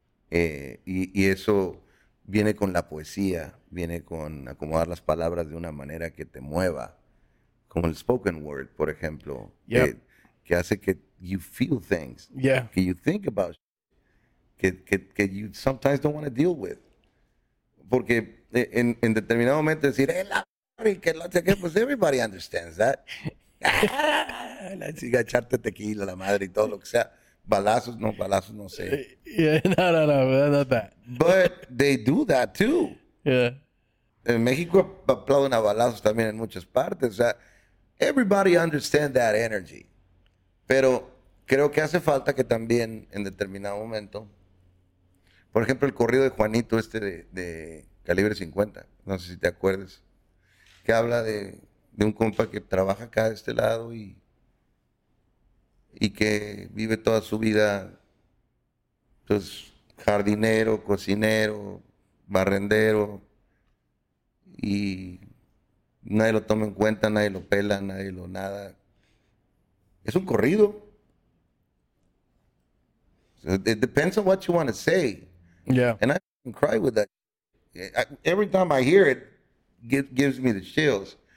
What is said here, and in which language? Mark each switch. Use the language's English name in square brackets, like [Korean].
[Spanish] Y eso viene con la poesía, viene con acomodar las palabras de una manera que te mueva. Como el spoken word, por ejemplo. [English] Yep. [Spanish] Que hace que [English] you feel things. Yeah. Que you think about shit. Que you sometimes don't want to deal with. [Spanish] Porque en determinado momento decir, pues [English] everybody understands that. [Spanish] La chica echarte tequila, la madre y todo lo que sea. Balazos, no sé. [English] Yeah, no, not that. But they do that too. Yeah. [Spanish] En México aplauden a balazos también en muchas partes. O sea, [English] everybody understands that energy. [Spanish] Pero creo que hace falta que también en determinado momento. Por ejemplo, el corrido de Juanito, este de Calibre 50, no sé si te acuerdas, que habla de un compa que trabaja acá de este lado y que vive toda su vida, pues, jardinero, cocinero, barrendero, y nadie lo toma en cuenta, nadie lo pela, nadie lo nada. Es un corrido. [English] So it depends on what you want to say. Yeah. And I can cry with that. Every time I hear it, it gives me the chills.